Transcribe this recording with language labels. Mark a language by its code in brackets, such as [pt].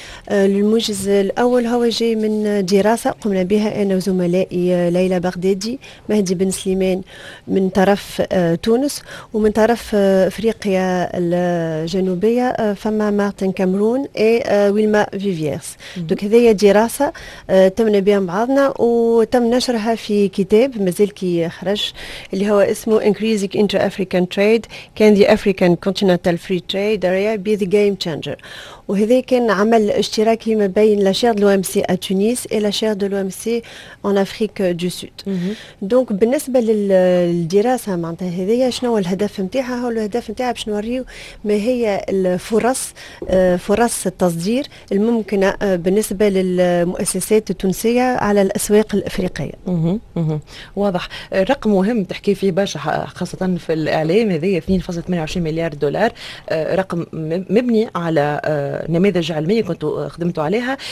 [ar] الموجز الاول هو جاي من دراسه قمنا بها انا وزملائي ليلى بغدادي مهدي بن سليمان من طرف تونس، ومن طرف افريقيا الجنوبيه فما مارتن كامرون اي ويلما فيفييرس. دونك هذيا دراسه تمنا بها بعضنا وتم نشرها في كتاب مازال كي خرج اللي هو اسمه [en] Increasing Inter-African Trade Can the African Continental Free Trade Area Be the Game Changer. [ar] وهذي كان عمل اشتراكي ما بين [fr] la chaire de l'OMC à Tunis et la chaire de l'OMC en Afrique du Sud. [ar] دونك بالنسبة للدراسة معناتها هذي شنو الهدف نتاعها، هو الهدف نتاعها باش نوريو ما هي الفرص فرص التصدير الممكنة بالنسبة للمؤسسات التونسية على الأسواق الأفريقية. واضح رقم مهم تحكي فيه باش خاصة في الإعلام، هذي 2.28 مليار دولار، رقم مبني على نماذج علمية كنت خدمت عليها.